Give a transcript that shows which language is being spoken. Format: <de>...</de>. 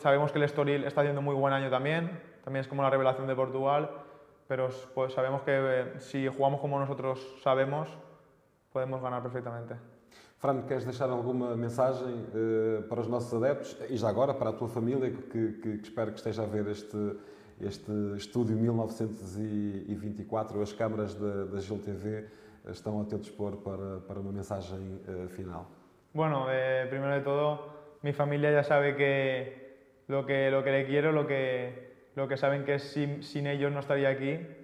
<es>Sabemos que el Estoril está haciendo muy buen año también es como la revelación de Portugal, pero pues sabemos que si jugamos como nosotros sabemos, podemos ganar perfectamente.</es> <pt>Fran, queres deixar alguma mensagem para os nossos adeptos e já agora para a tua família, que espero que esteja a ver este estúdio 1924, as câmaras da Gil TV estão a teu dispor para uma mensagem final.</pt> <es>Bueno,</es> <pt>primeiro de tudo, minha família já sabe</pt> <es>que lo que le quiero, lo que saben que sin ellos no estaría aquí.</es>